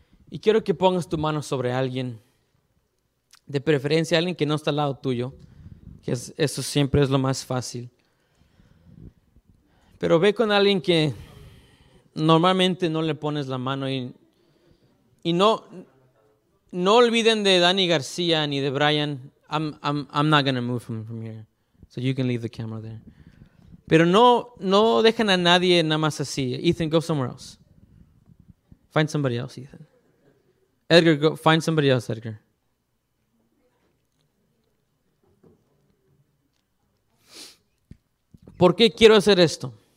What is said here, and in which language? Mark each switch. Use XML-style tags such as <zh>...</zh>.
<es>Y quiero que pongas tu mano sobre alguien, de preferencia alguien que no está al lado tuyo, que eso siempre es lo más fácil. Pero ve con alguien que normalmente no le pones la mano y no olviden de Dani García ni de Brian.</es> <en>I'm not going to move from here, so you can leave the camera there.</en> <es>Pero no dejen a nadie nada más así.</es> <en>Ethan, go somewhere else. Find somebody else, Ethan. Edgar, go find somebody else, Edgar.</en> <es>¿Por qué quiero hacer esto?</es>